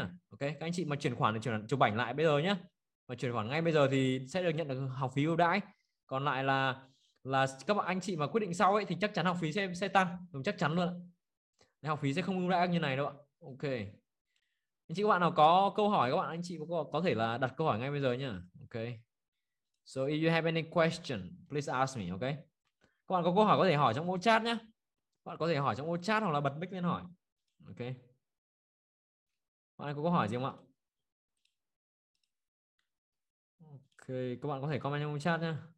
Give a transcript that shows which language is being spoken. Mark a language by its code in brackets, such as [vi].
[vi] Ok, các anh chị mà chuyển khoản thì chụp ảnh lại bây giờ nhá. Mà chuyển khoản ngay bây giờ thì sẽ được nhận được học phí ưu đãi. Còn lại là các bạn anh chị mà quyết định sau ấy thì chắc chắn học phí sẽ tăng, đúng chắc chắn luôn ạ. Để học phí sẽ không ưu đãi như này đâu ạ. Ok. Anh chị các bạn nào có câu hỏi các bạn anh chị có thể là đặt câu hỏi ngay bây giờ nhá. [en] Ok. So if you have any question, please ask me, ok? [vi] Các bạn có câu hỏi có thể hỏi trong ô chat nhá. Các bạn có thể hỏi trong ô chat hoặc là bật mic lên hỏi. Ok. Các bạn có câu hỏi gì không ạ? Ok, các bạn có thể comment trong chat nhé.